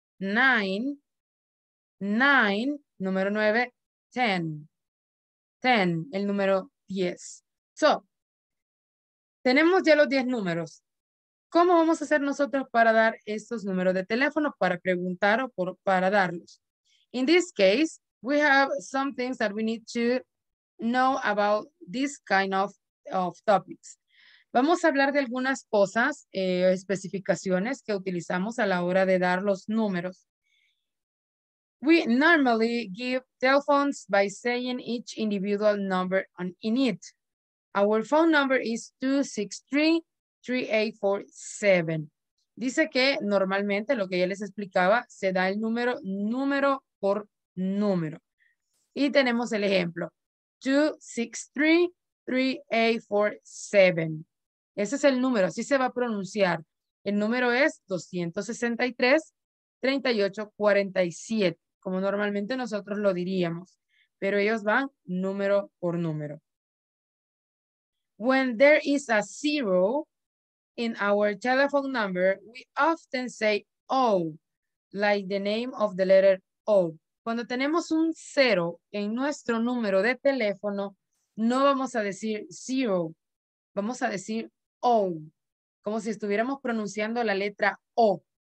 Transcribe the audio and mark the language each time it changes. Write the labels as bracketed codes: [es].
[es] 9, 9, número 9. 10, 10, el número 10. So, tenemos ya los 10 números. ¿Cómo vamos a hacer nosotros para dar estos números de teléfono, para preguntar o para darlos? [en] In this case, we have some things that we need to know about this kind of topics. [es] Vamos a hablar de algunas cosas, especificaciones que utilizamos a la hora de dar los números. [en] We normally give telephones by saying each individual number in it. Our phone number is 263-3847. [es] Dice que normalmente lo que ya les explicaba, se da el número, número por número. Y tenemos el ejemplo. 263-3847. Ese es el número, así se va a pronunciar. El número es 263-3847, como normalmente nosotros lo diríamos. Pero ellos van número por número. [en] When there is a zero in our telephone number, we often say O, like the name of the letter O. [es] Cuando tenemos un cero en nuestro número de teléfono, no vamos a decir zero, vamos a decir O, como si estuviéramos pronunciando la letra O.